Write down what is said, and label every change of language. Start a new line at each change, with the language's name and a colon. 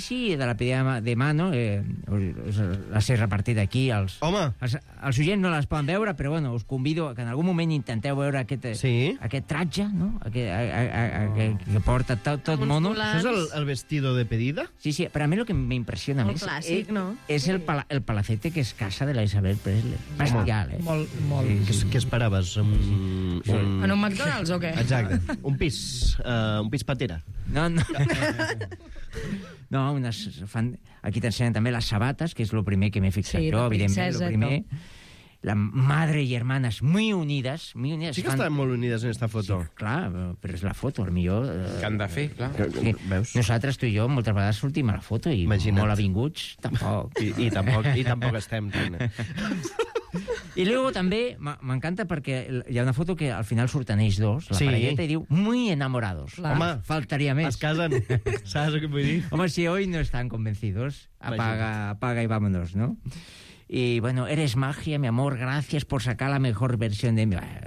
Catalan: Sí,
Spanish: de la pedida de mano.
Catalan: Les he repartit aquí. Els oients no les poden veure, però bueno, us convido que en algun moment intenteu veure aquest tratge, no? Que porta tot mono. Això és
Spanish: el vestido de pedida?
Catalan: Sí, però a mi el que m'impressiona més clàssic, no? És sí. el palacete que es casa de la Isabel Presley. Bestial, eh? Molt. Què esperava? En un McDonald's o què? Exacte. Un pis patera. No, unes... Aquí t'ensenyen també les sabates, que és el primer que m'he fixat jo, evidentment. El primer.
Spanish: La madre
Catalan: i germanes
Spanish: muy
Catalan: unides.
Spanish: Muy
Catalan: unides. Sí que estan molt unides
Spanish: en esta foto.
Catalan: Sí, clar, però és la foto, el millor... Que han de fer, clar. Sí. Veus? Nosaltres, tu i jo, moltes vegades sortim a la foto i molt avinguts, tampoc. I tampoc estem. I
Spanish: luego
Catalan: també m'encanta perquè hi ha una foto que al final surten ells dos, la parelleta, i diu
Spanish: muy enamorados.
Catalan: Clar, home, faltaria més. Es casen, saps el que vull dir?
Spanish: Home, si hoy no están convencidos, apaga y vámonos, no? Y bueno, eres magia, mi amor, gracias por sacar la mejor versión de mi...